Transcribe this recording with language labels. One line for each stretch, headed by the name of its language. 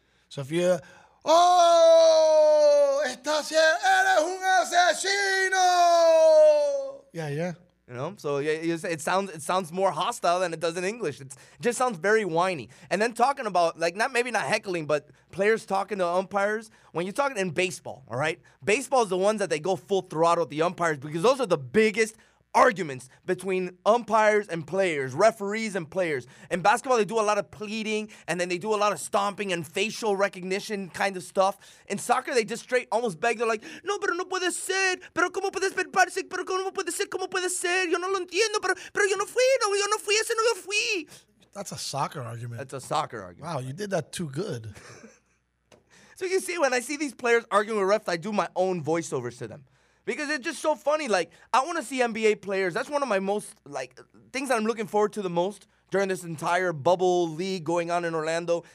English: So if you're,
Spanish: oh, estás, eres un asesino.
English: Yeah, yeah. You know, so it sounds more hostile than it does in English. It just sounds very whiny. And then talking about, like, maybe not heckling, but players talking to umpires. When you're talking in baseball, all right, baseball is the ones that they go full throttle at the umpires, because those are the biggest arguments between umpires and players, referees and players. In basketball, they do a lot of pleading, and then they do a lot of stomping and facial recognition kind of stuff. In soccer, they just straight almost beg. They're like,
Spanish: no, pero no puede ser. Pero cómo puede ser, parece, pero cómo puede ser, cómo puede ser. Yo no lo entiendo, pero yo no fui, ese no yo fui.
English: That's a soccer argument. That's a soccer argument. Wow, you did that too good. So you see, when I see these players arguing with refs, I do my own voiceovers to them. Because it's just so funny. Like, I want to see NBA players. That's one of my most, like, things that I'm looking forward to the most during this entire bubble league going on in Orlando.